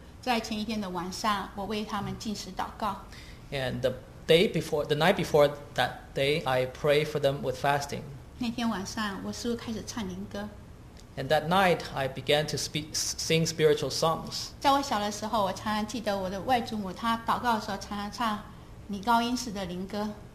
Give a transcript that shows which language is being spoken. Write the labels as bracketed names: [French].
[Chinese] 在前一天的晚上，我为他们进食祷告。 [English] And the night before that day, I prayed for them with fasting. [Chinese] 那天晚上，我似乎开始唱灵歌。 [English] And that night, I began to sing spiritual songs. [Chinese] 在我小的时候，我常常记得我的外祖母她祷告的时候常常唱女高音式的灵歌。